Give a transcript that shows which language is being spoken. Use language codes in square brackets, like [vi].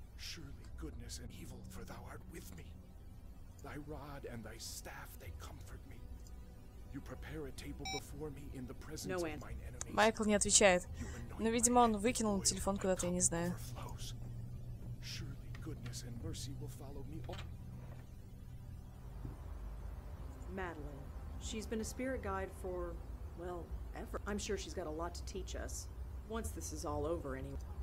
[en] Surely goodness and evil, for thou art with me. Thy rod and thy staff, they comfort me. You prepare a table before me in the presence of mine enemies. [ru] Майкл не отвечает. Но, видимо, он выкинул телефон куда-то, я не знаю. [en] Surely goodness and mercy will follow me. Madeline. She's been a spirit guide for, well, ever. I'm sure she's got a lot to teach us. Once this is all over, anyway.